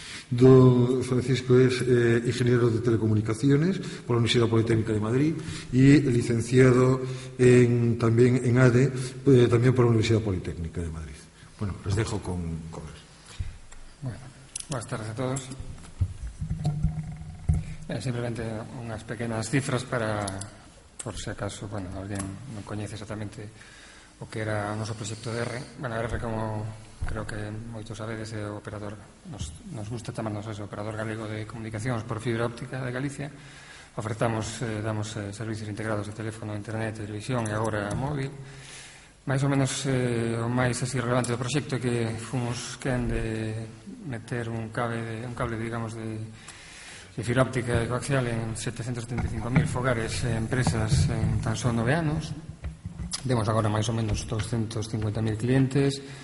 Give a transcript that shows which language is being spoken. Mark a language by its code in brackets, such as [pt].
[es] Don Francisco es ingeniero de telecomunicaciones por la Universidad Politécnica de Madrid y licenciado también en ADE, también por la Universidad Politécnica de Madrid. Bueno, les dejo con él. Bueno, buenas tardes a todos. Simplemente unas pequeñas cifras para, por si acaso, bueno, alguien no conoce exactamente o que era nuestro proyecto de R. Bueno, R como... [gl] Creo que moitos sabedes, o operador, nos gusta chamarnos ese operador galego de comunicacións por fibra óptica de Galicia. Ofertamos, damos servicios integrados de teléfono, internet, televisión e agora móvil. Mais ou menos o máis así relevante do proxecto que fomos quen de meter un cable, digamos, de fibra óptica e coaxial en 775.000 fogares e empresas en tan só 9 anos. Demos agora máis ou menos 250.000 clientes.